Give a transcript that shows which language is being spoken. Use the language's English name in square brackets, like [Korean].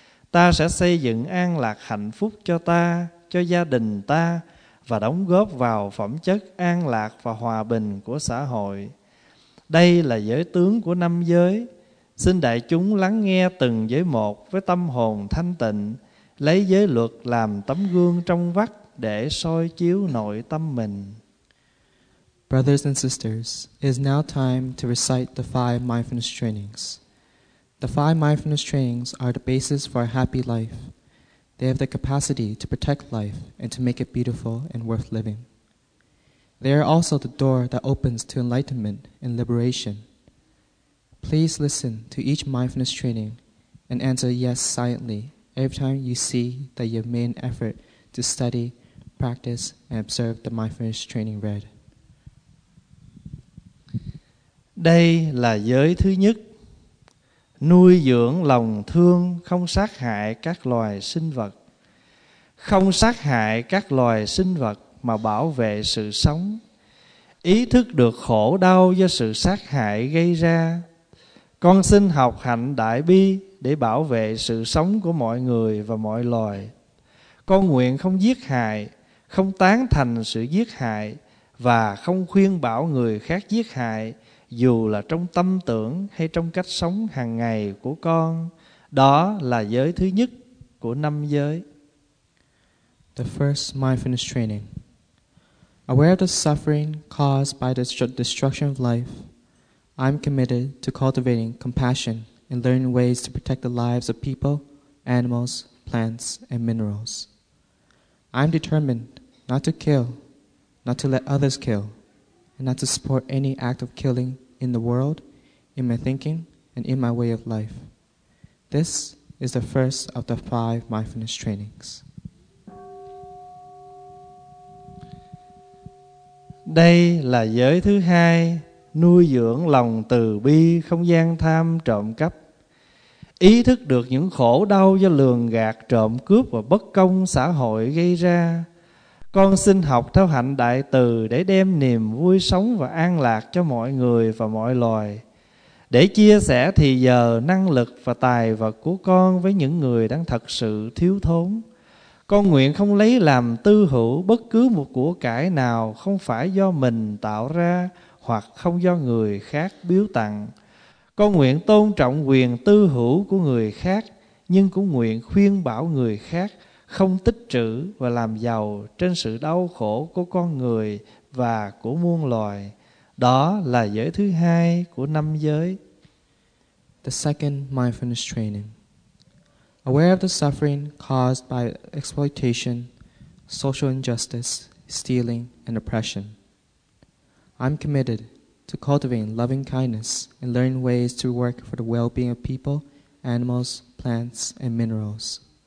[Vietnamese] Ta sẽ xây dựng an lạc hạnh phúc cho ta, cho gia đình ta và đóng góp vào phẩm chất an lạc và hòa bình của xã hội. Đây là giới tướng của năm giới. Xin đại chúng lắng nghe từng giới một với tâm hồn thanh tịnh, lấy giới luật làm tấm gương trong vắt để soi chiếu nội tâm mình. [English] Brothers and sisters, it is now time to recite the five mindfulness trainings. The five mindfulness trainings are the basis for a happy life. They have the capacity to protect life and to make it beautiful and worth living. They are also the door that opens to enlightenment and liberation. Please listen to each mindfulness training and answer yes silently every time you see that you have made an effort to study, practice, and observe the mindfulness training read. [Vietnamese] Đây là giới thứ nhất, nuôi dưỡng lòng thương không sát hại các loài sinh vật. Không sát hại các loài sinh vật mà bảo vệ sự sống. Ý thức được khổ đau do sự sát hại gây ra. Con xin học hạnh đại bi để bảo vệ sự sống của mọi người và mọi loài. Con nguyện không giết hại, không tán thành sự giết hại và không khuyên bảo người khác giết hại, dù là trong tâm tưởng hay trong cách sống hàng ngày của con. Đó là giới thứ nhất của năm giới. [English] The first mindfulness training. Aware of the suffering caused by the destruction of life, I'm committed to cultivating compassion and learning ways to protect the lives of people, animals, plants, and minerals. I'm determined not to kill, not to let others kill, and not to support any act of killing in the world, in my thinking, and in my way of life. This is the first of the five mindfulness trainings. [Vietnamese] Đây là giới thứ hai, nuôi dưỡng lòng từ bi không gian tham trộm cắp. Ý thức được những khổ đau do lường gạt, trộm cướp và bất công xã hội gây ra. Con xin học theo hạnh đại từ để đem niềm vui sống và an lạc cho mọi người và mọi loài. Để chia sẻ thì giờ, năng lực và tài vật của con với những người đang thật sự thiếu thốn. Con nguyện không lấy làm tư hữu bất cứ một của cải nào không phải do mình tạo ra hoặc không do người khác biếu tặng. Con nguyện tôn trọng quyền tư hữu của người khác, nhưng cũng nguyện khuyên bảo người khác không tích trữ và làm giàu trên sự đau khổ của con người và của muôn loài. Đó là giới thứ hai của năm giới. [English] The second mindfulness training. Aware of the suffering caused by exploitation, social injustice, stealing, and oppression. I'm committed to cultivating loving kindness and learning ways to work for the well-being of people, animals, plants, and minerals.